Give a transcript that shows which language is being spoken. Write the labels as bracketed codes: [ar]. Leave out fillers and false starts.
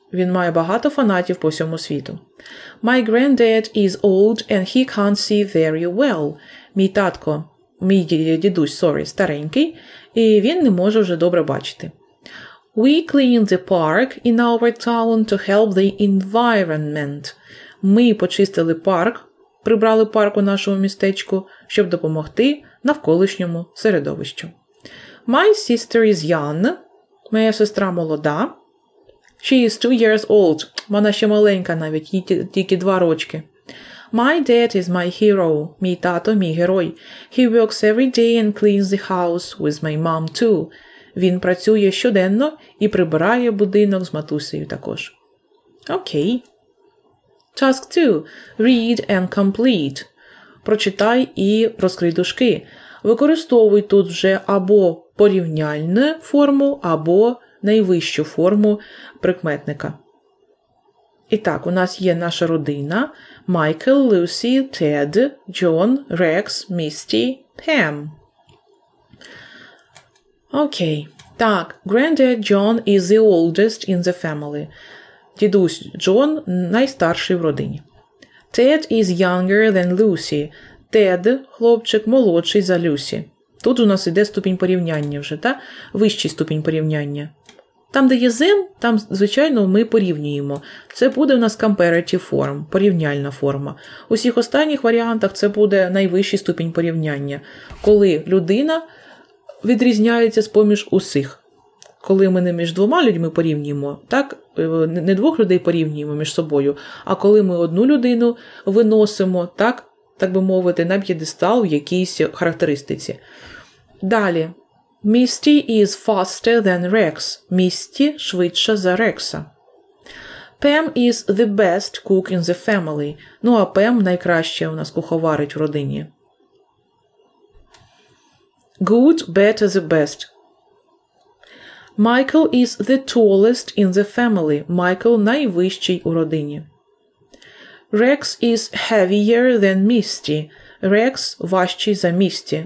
[uk] Він має багато фанатів по всьому світу. [en] My granddad is old and he can't see very well. [uk] Мій дідусь, старенький, і він не може вже добре бачити. [en] We clean the park in our town to help the environment. [uk] Ми почистили парк, прибрали парк у нашому містечку, щоб допомогти навколишньому середовищу. [en] My sister is young. [uk] Моя сестра молода. [en] She is 2 years old. [uk] Вона ще маленька навіть, їй тільки 2 рочки. [en] My dad is my hero. [uk] Мій тато – мій герой. [en] He works every day and cleans the house with my mom too. [uk] Він працює щоденно і прибирає будинок з матусею також. [en] Okay. Task 2. Read and complete. [uk] Прочитай і розкрий дужки. Використовуй тут вже або порівняльну форму, або найвищу форму прикметника. І так, у нас є наша родина. Майкл, Люсі, Тед, Джон, Рекс, Місті, Пем. Окей. Так, [en] Granddad John is the oldest in the family. [uk] Дідусь Джон найстарший в родині. [en] Тед is younger than Люсі. [uk] Тед, хлопчик, молодший за Люсі. Тут у нас іде ступінь порівняння вже, так? Вищий ступінь порівняння. Там, де є them, там, звичайно, ми порівнюємо. Це буде у нас [en] comparative form, [uk] порівняльна форма. У всіх останніх варіантах це буде найвищий ступінь порівняння. Коли людина відрізняється з-поміж усіх. Коли ми не між двома людьми порівнюємо, так, не двох людей порівнюємо між собою, а коли ми одну людину виносимо, так, так би мовити, на п'єдестал в якійсь характеристиці. Далі. [en] Місті is faster than Rex. [uk] Місті швидша за Рекса. [en] Пем is the best cook in the family. [uk] Ну, а Пем найкраще у нас куховарить в родині. [en] Good, better, the best. Майкл is the tallest in the family. [uk] Майкл найвищий у родині. [en] Rex is heavier than Misty. Rex [uk] важчий за [en] Misty.